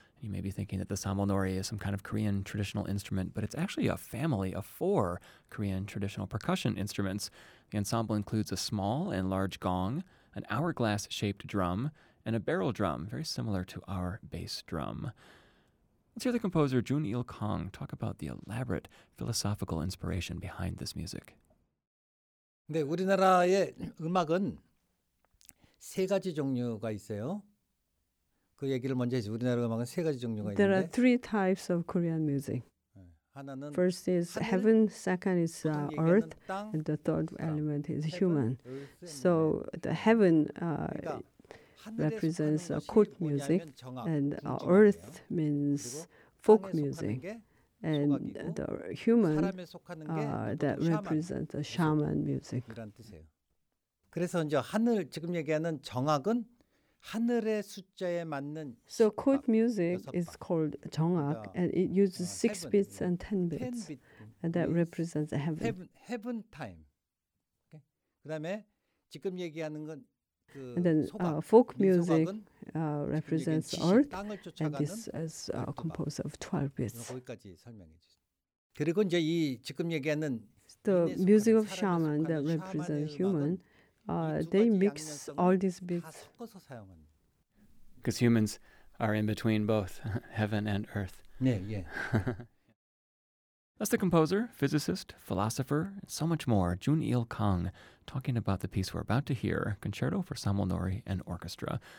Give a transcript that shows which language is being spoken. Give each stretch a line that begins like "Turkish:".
English: You may be thinking that the samul nori is some kind of Korean traditional instrument, but it's actually a family of four Korean traditional percussion instruments. The ensemble includes a small and large gong, an hourglass-shaped drum, and a barrel drum, very similar to our bass drum. Let's hear the composer Jun Il Kong talk about the elaborate philosophical inspiration behind this music.
Korean: 네, 우리나라의 음악은 세 가지 종류가 있어요. 그 얘기를 먼저 해서 우리나라 음악은 세 가지 종류가 있는데
English: There are three types of Korean music. First is heaven, second is earth, and the third element is human. So the heaven represents court music, and earth means folk music, and the human that represents the shaman music.
Korean: 그래서 이제 하늘 지금 얘기하는 정악은 하늘의 숫자에 맞는
English: So court music is called 정악 and it uses 6 bits and 10 bits and that represents heaven. Heaven time. Okay.
Korean: 그다음에 지금 얘기하는 건
English: And then folk music represents earth and this is composed of 12 bits.
Korean: 거기까지 설명해 주세요. 그리고 이제 이 지금 얘기하는
English: The music of shaman that represents human they mix all these bits. Because humans are in between both heaven and earth. Yeah, yeah. That's the composer, physicist, philosopher, and so much more, Jun Il Kong, talking about the piece we're about to hear, Concerto for Samul Nori and Orchestra.